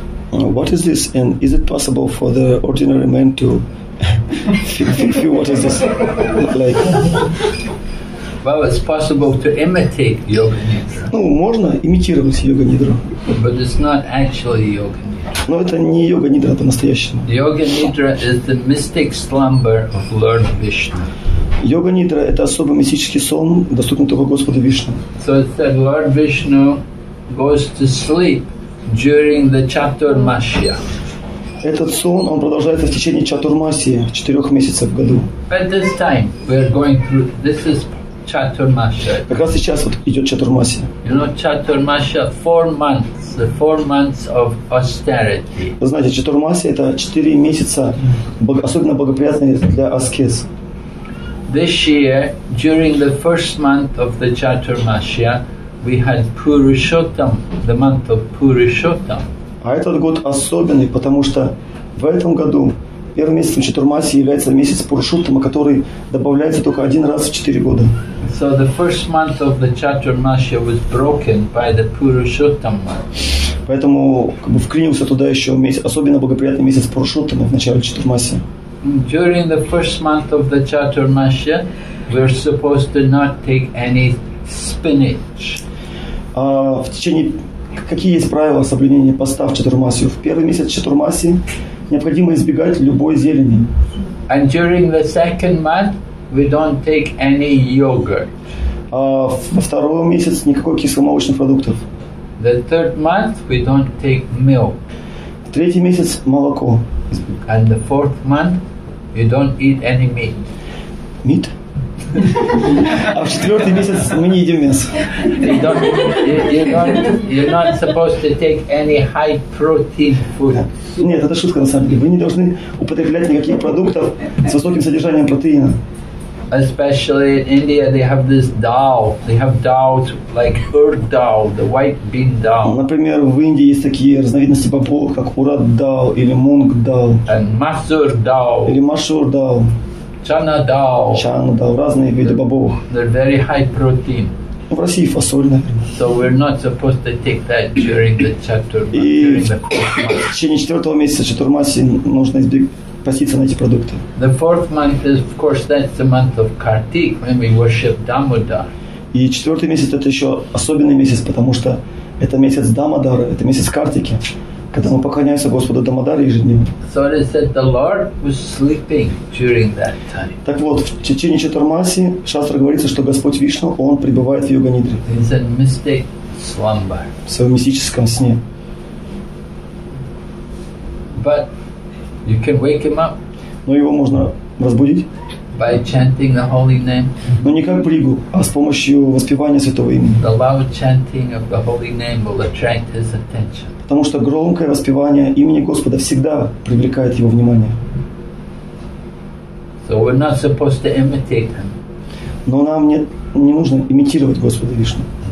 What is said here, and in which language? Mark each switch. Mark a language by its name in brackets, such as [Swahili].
[English] What is this, and is it possible for the ordinary man to feel what is this like? Well, it's possible to imitate yoga nidra. [Russian] Ну, можно имитировать йога нидру. [English] But it's not actually yoga nidra. [Russian] Но это не йога нидра, это настоящее. [English] Yoga nidra is the mystic slumber of Lord Vishnu. [Russian] Йога нидра это особый мистический сон, доступный только Господу Вишну. [English] So it's that Lord Vishnu goes to sleep during the Chaturmasya. [Russian] Этот сон, он продолжается в течение Чатурмасии, четырех месяцев в году. [English] At this time, we are going through. This is Chaturmasya. [Russian] Как раз сейчас вот идет Чатурмасия. [English] You know Chaturmasya, four months, the four months of austerity. [Russian] Вы знаете, Чатурмасия это четыре месяца, особенно благоприятные для аскез. [English] This year, during the first month of the Chaturmasya, we had Purushottam, the month of Purushottam. [Russian] А этот год особенный, потому что в этом году первым месяцем Чатурмаси является месяц Пурушоттама, который добавляется только один раз в четыре года. [English] So the first month of the Chaturmasya was broken by the Purushottam month. [Russian] Поэтому как бы вклинился туда еще месяц, особенно благоприятный месяц Пурушоттама в начале Чатурмаси. [English] During the first month of the Chaturmasya, we're supposed to not take any spinach. [Russian] А в течение какие есть правила соблюдения поста в Чатурмасию? В первый месяц Чатурмаси необходимо избегать любой зелени. [English] And during the second month, we don't take any yogurt. [Russian] Во второй месяц никакой кисломолочных продуктов. [English] The third month, we don't take milk. [Russian] В третий месяц молоко. [English] And the fourth month, you don't eat any meat. Meat? [Russian] А в четвертый месяц мы не едим мясо. [English] You're not supposed to take any high protein food. [Russian] Нет, это шутка на самом деле. Вы не должны употреблять никаких продуктов с высоким содержанием протеина. [English] Especially in India, they have this dal. They have dals like urad dal, the white bean dal. [Russian] Например, в Индии есть такие разновидности бобов, как урад дал или мунг дал. [English] And масур дал. [Russian] Или масур дал. Чана дал. Чана дал. Разные виды бобов. [English] They're very high protein. [Russian] В России фасоль, например. [English] So we're not supposed to take that during the Chaturmasi. [Russian] В течение четвертого месяца Чатурмаси нужно поститься на эти продукты. [English] The fourth month is, of course, that's the month of Kartik when we worship Damodar. [Russian] И четвертый месяц это еще особенный месяц, потому что это месяц Дамодара, это месяц Картики, когда мы поклоняемся Господу Дамодаре ежедневно. [English] So it said the Lord was sleeping during that time. [Russian] Так вот, в течение Чатурмаси шастра говорится, что Господь Вишну, он пребывает в йога-нидре. [English] He's in mystic slumber. [Russian] В своем мистическом сне. [English] But you can wake him up. [Russian] но его можно разбудить. [English] By chanting the holy name. [Russian] Но не как бригу, а с помощью воспевания святого имени. [English] The loud chanting of the holy name will attract his attention. [Russian] Потому что громкое воспевание имени Господа всегда привлекает его внимание. [English] So we're not supposed to imitate him. [Russian] Но нам не нужно имитировать Господа Вишну.